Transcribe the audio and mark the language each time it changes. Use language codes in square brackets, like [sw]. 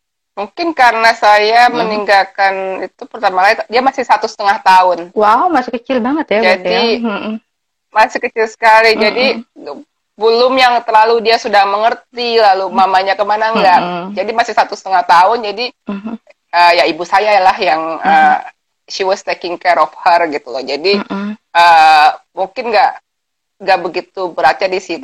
[id] Mungkin karena saya meninggalkan itu pertama kali, dia masih 1,5 tahun. Wow, masih kecil banget ya. Jadi, masih kecil sekali. Jadi, belum yang terlalu dia sudah mengerti, lalu mamanya kemana enggak. Jadi, masih 1,5 tahun. Jadi, ya ibu saya lah yang, [en] she was taking care of her [id] gitu loh. Jadi, mungkin enggak begitu beratnya di situ.